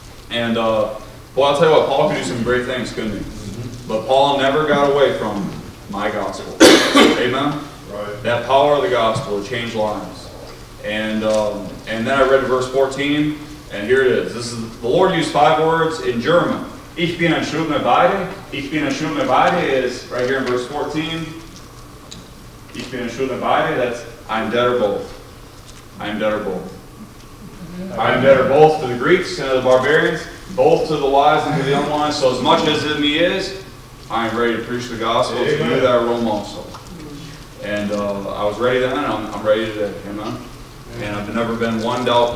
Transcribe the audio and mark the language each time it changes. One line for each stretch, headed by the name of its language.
English: And, well, I'll tell you what, Paul could do some great things, couldn't he? Mm-hmm. But Paul never got away from my gospel. Amen? Right. That power of the gospel changed lives. And then I read verse 14, and here it is. This is the Lord used 5 words in German.
German: Ich bin ein Schuldner bei dir. Ich bin ein Schuldner bei dir
English: is right here in verse 14.
German: Ich bin ein Schuldner bei dir.
English: That's I'm debtor both. I'm debtor both. I'm debtor both to the Greeks and to the barbarians, both to the wise and to the unwise. So as much as in me is, I am ready to preach the gospel to you that are Rome also. And I was ready then, and I'm ready today, amen? And I've never been one doubt.